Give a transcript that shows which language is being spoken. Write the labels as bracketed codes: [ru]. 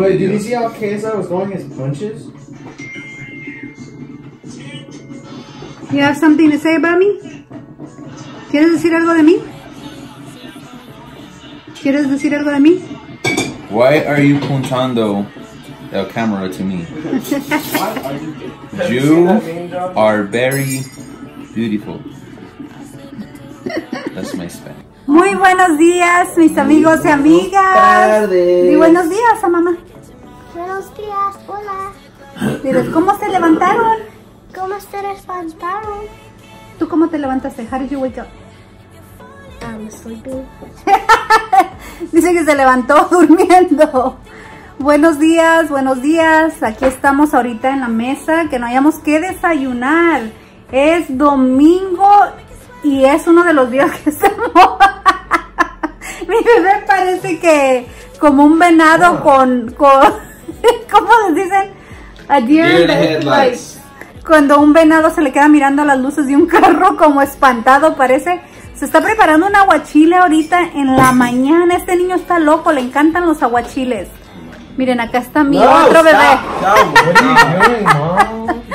[en] you see how KSI was going his punches? You have something to say about me? [es] ¿Quieres decir algo de mí? ¿Quieres decir algo de mí? [en] Why are you puntando the camera to me? You are very beautiful. That's my Spanish. [es] Muy buenos días, mis amigos y amigas. Tardes. Y buenos días a mamá. Buenos días, hola. Pero ¿cómo se levantaron? ¿Cómo se levantaron? ¿Tú cómo te levantaste? [en] How did you wake up? I'm sleeping. [es] Dice que se levantó durmiendo. Buenos días, aquí estamos ahorita en la mesa, que no hayamos que desayunar. Es domingo y es uno de los días que estamos. Mi bebé parece que como un venado con ¿cómo se dicen? [en] A deer in the headlights. [es] Cuando un venado se le queda mirando a las luces de un carro como espantado, parece. Se está preparando un aguachile ahorita en la mañana. Este niño está loco, le encantan los aguachiles. Miren, acá está mi otro bebé. No, no.